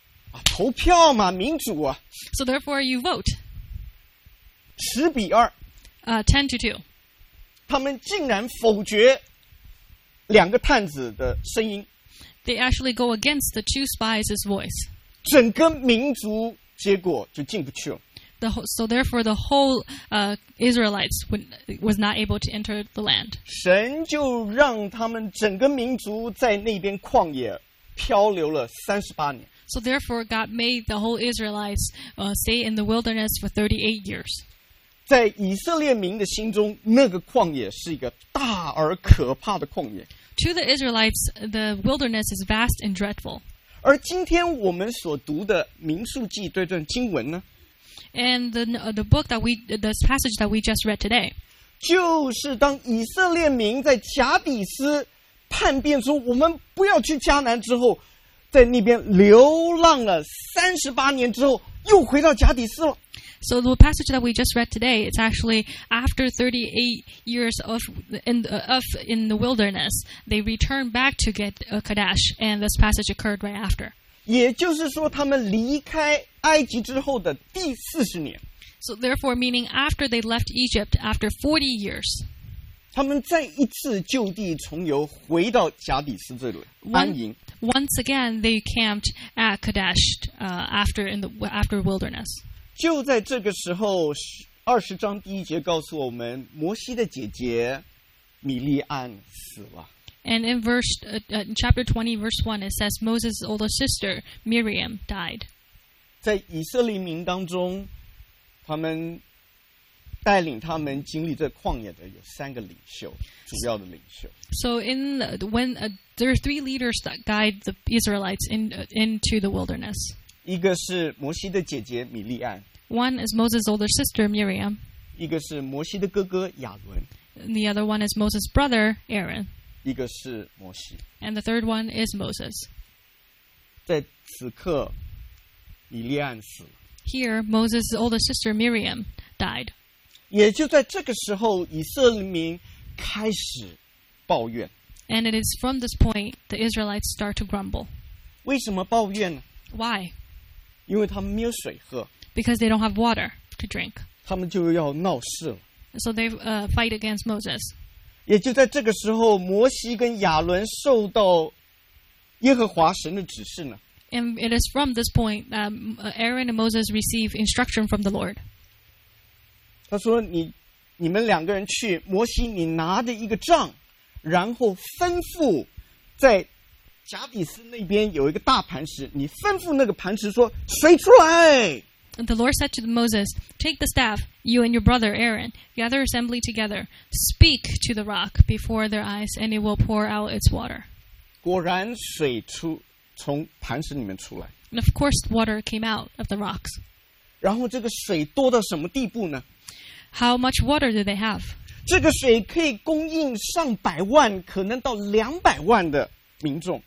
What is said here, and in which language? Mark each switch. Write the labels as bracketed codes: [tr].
[zh] 啊，投票嘛，民主啊。 [en] So therefore you vote. [zh] 10-2。 10-2。他们竟然否决两个探子的声音。 [en] They actually go against the two spies' voice. [zh] 整个民族结果就进不去了。 [en] The whole, so therefore, the whole Israelites was not able to enter the land. [zh] 神就让他们整个民族在那边旷野漂流了38年。 [en] So therefore, God made the whole Israelites stay in the wilderness for 38 years. [zh] 在以色列民的心中，那个旷野是一个大而可怕的旷野。 [en] To the Israelites, the wilderness is vast and dreadful. [zh] 而今天我们所读的《民数记》这段经文呢？ [en] And the book that we this passage that we just read today, [zh] 就是当以色列民在甲比斯叛变说我们不要去迦南之后，在那边流浪了38年之后，又回到甲比斯了。 [en] So the passage that we just read today is actually after 38 years in the wilderness, they return back to get Kadesh, and this passage occurred right after. [zh] 也就是说，他们离开埃及之后的第40年。 [en] So therefore, meaning after they left Egypt after 40 years, [zh] 他们再一次就地重游，回到甲底斯这里安营。 [en] Once again, they camped at Kadesh after wilderness. [zh] 就在这个时候，20章第1节告诉我们，摩西的姐姐米利安死了。 [en] And in chapter 20, verse 1, it says Moses' older sister, Miriam, died. [zh] 在以色列民当中，他们带领他们经历这旷野的有三个领袖，主要的领袖。 [en] So in there are three leaders that guide the Israelites into the wilderness. [zh] 一个是摩西的姐姐米利安。 [en] One is Moses' older sister, Miriam. [zh] 一个是摩西的哥哥亚伦。 [en] The other one is Moses' brother, Aaron. [zh] 一个是摩西 [en] and the third one is Moses. [zh] 在此刻，米利安死了。 [en] Here, Moses' older sister Miriam died. [zh] 也就在这个时候，以色列民开始抱怨。 [en] And it is from this point the Israelites start to grumble. [zh] 为什么抱怨呢 [en] ？Why? [zh] 因为他们没有水喝。 [en] Because they don't have water to drink. [zh] 他们就要闹事了。 [en] So they fight against Moses. [zh] 也就在这个时候，摩西跟亚伦受到耶和华神的指示呢。 [en] And it is from this point that Aaron and Moses receive instruction from the Lord. [zh] 他说你们两个人去，摩西你拿着一个杖，然后吩咐在甲比斯那边有一个大磐石，你吩咐那个磐石说水出来。 [en] And the Lord said to Moses, Take the staff, you and your brother Aaron, gather assembly together, speak to the rock before their eyes, and it will pour out its water. [zh] 果然水出从磐石里面出来。 [en] And of course, water came out of the rocks. [zh] 然后这个水多到什么地步呢? [en] How much water do they have? [zh] 这个水可以供应上百万,可能到200万的民众。